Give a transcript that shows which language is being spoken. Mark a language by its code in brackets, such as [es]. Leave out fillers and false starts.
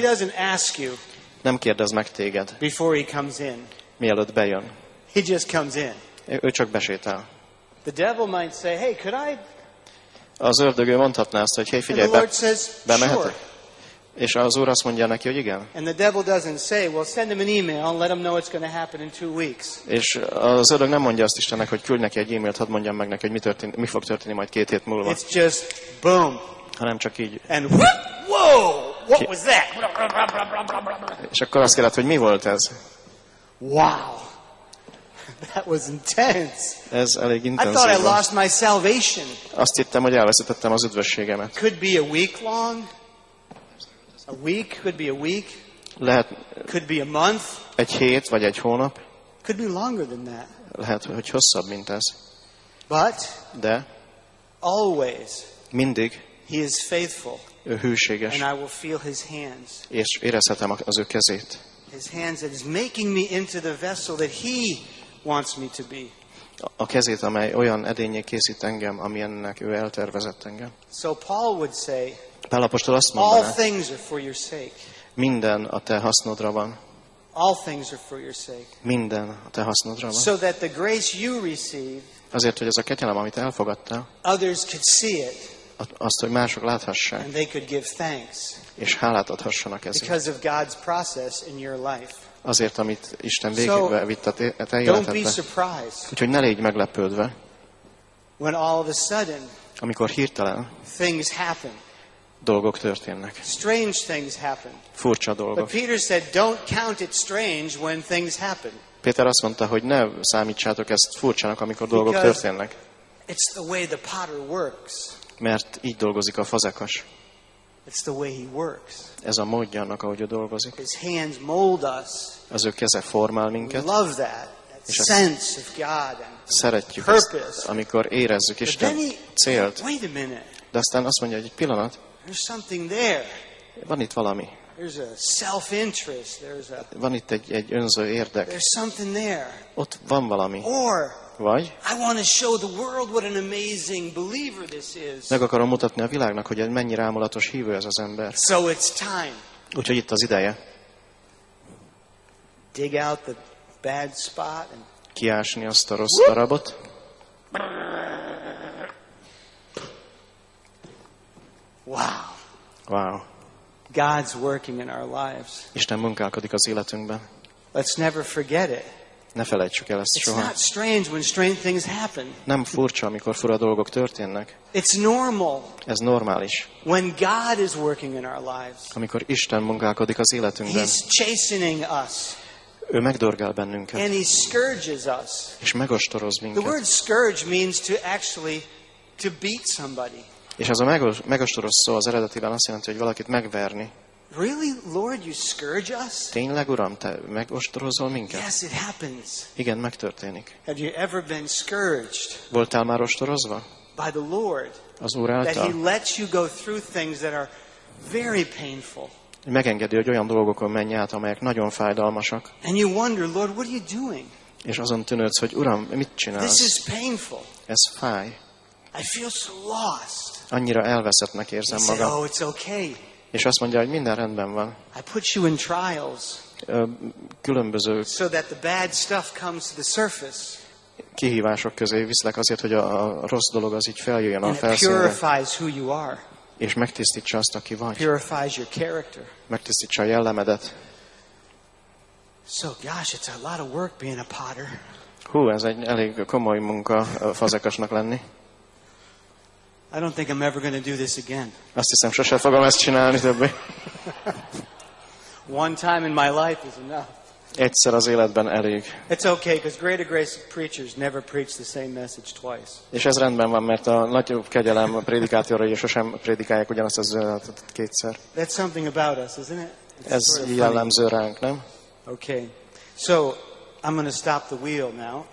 [en] He doesn't ask you, [hu] nem kérdez meg téged, [en] before he comes in, [hu] mielőtt bejön. [en] He just comes in. [hu] Ő csak besétál. [en] The devil might say, hey, could I? [hu] Az ördög, ő mondhatná azt, hogy hey, figyelj, bemehetek. [en] Sure. [hu] És az Úr azt mondja neki, hogy igen. [en] And the devil doesn't say, well, send him an email and let him know it's going to happen in 2 weeks. [hu] És az ördög nem mondja azt Istennek, hogy küldj neki egy e-mailt, hadd mondjam meg neki, hogy mi fog történni majd 2 hét múlva. [en] It's just boom. [hu] Hanem csak így. [en] And whoop, whoa, what was that? [hu] És akkor azt kérdezte, hogy mi volt ez? [en] Wow. That was intense. [hu] Ez elég intenzív. [en] I thought I lost my salvation. [hu] Azt hittem, hogy elveszítettem az üdvösségemet. [en] Could be a week long. A week, could be a week. [hu] Lehet, [en] could be a month. [hu] Egy hét vagy egy hónap. [en] Could be longer than that. [hu] Lehet, hogy hosszabb, mint ez. [en] But, [hu] de, [en] always, [hu] mindig, [en] he is faithful. [hu] Ő hűséges. [en] And I will feel his hands. [hu] És érezhetem az ő kezét. [en] His hands that is making me into the vessel that he wants me to be. [hu] A kezét, amely olyan edénnyé készít engem, amilyennek ő eltervezett engem. [en] So Paul would say, [hu] Pál apostol azt mondaná, [en] all things are for your sake. [hu] Minden a te hasznodra van. [en] All things are for your sake. [hu] Minden a te hasznodra van. [en] So that the grace you receive, [hu] azért, hogy ez a kegyelem, amit elfogadtál, [en] others could see it, [hu] azt, hogy mások láthassák, [en] and they could give thanks, [hu] és hálát adhassanak ezért. [en] Because of God's process in your life. [hu] Azért, amit Isten végébe vitt a te életedbe. [en] Don't be surprised, [hu] úgyhogy ne légy meglepődve, [en] when all of a sudden, [hu] amikor hirtelen [en] things happen, [hu] dolgok történnek. [en] Strange things happen. [hu] Furcsa dolgok. [en] But Peter said, don't count it strange when things happen. [hu] Péter azt mondta, hogy ne számítsátok ezt furcsának, amikor dolgok történnek. [en] It's the way the potter works. [hu] Mert így dolgozik a fazekas. [en] It's the way he works. [hu] Ez a módja annak, ahogy ő dolgozik. [en] His hands mold us. [hu] Az ő keze formál minket. [en] We love that. That sense of God and purpose. [hu] Szeretjük ezt, amikor érezzük Isten célt. [en] Wait a minute. [hu] De aztán azt mondja, hogy egy pillanat. [en] There's something there. [hu] Van itt valami. [en] There's a self-interest. There's a. [hu] Van itt egy önző érdek. [en] There's something there. [hu] Ott van valami. [en] Or. [hu] Vagy, [en] I want to show the world what an amazing believer this is. [hu] Meg akarom mutatni a világnak, hogy mennyire álmulatos hívő ez az ember. [en] So it's time. [hu] Úgyhogy itt az ideje. [en] Dig out the bad spot and [hu] kiásni azt a rossz darabot. [en] Wow. Wow. God's working in our lives. [hu] Isten munkálkodik az életünkben. [en] Let's never forget it. [hu] Ne felejtsük el ezt soha. [en] It's not strange when strange things happen. [hu] Nem furcsa, amikor fura dolgok történnek. [en] It's normal. [hu] Ez normális. [en] When God is working in our lives. [hu] Amikor Isten munkálkodik az életünkben. [en] He's chastening us. [hu] Ő megdorgál bennünket. [en] And he scourges us. [hu] És megostoroz minket. [en] The word scourge means to actually to beat somebody. [hu] És az a megostoroz szó az eredetiben azt jelenti, hogy valakit megverni. [en] Really, Lord, you scourge us? [hu] Tényleg, Uram, te megostorozol minket? [en] Yes, it happens. [hu] Igen, megtörténik. [en] Have you ever been scourged? [hu] Voltál már ostorozva? [en] By the Lord. [hu] Az Úr által. [en] That he lets you go through things that are very painful. [hu] Megengedi, hogy olyan dolgokon menj át, amelyek nagyon fájdalmasak. [en] And you wonder, Lord, what are you doing? [hu] És azon tűnődsz, hogy Uram, mit csinálsz? [en] This is painful. [hu] Ez fáj. [en] I feel so lost. [hu] Annyira elveszettnek érzem magam. [en] Oh, it's okay. [hu] És azt mondja, hogy minden rendben van. [en] I put you in trials. [hu] Különböző. [en] So that the bad stuff comes to the surface. [hu] Kihívások közé viszlek azért, hogy a rossz dolog az így feljöjjön a felszínre. [en] And it purifies who you are. [hu] És megtisztítsa azt, aki vagy. [en] Purifies your character. [hu] Megtisztítsa a jellemedet. [en] So gosh, it's a lot of work being a potter. [hu] Hú, ez egy elég komoly munka fazekasnak lenni. [en] I don't think I'm ever going to do this again. [hu] Azt hiszem, sose fogom ezt csinálni többé. [en] One time in my life is enough. [hu] Egyszer az életben elég. [en] It's okay, because greater grace preachers never preach the same message twice. [hu] És ez rendben van, mert a nagyobb kegyelem prédikátorai sosem prédikálják ugyanazt az üzenetet kétszer. [en] That's something about us, isn't it? [hu] Ez jellemző ránk, nem? [en] Okay, so I'm going to stop the wheel now.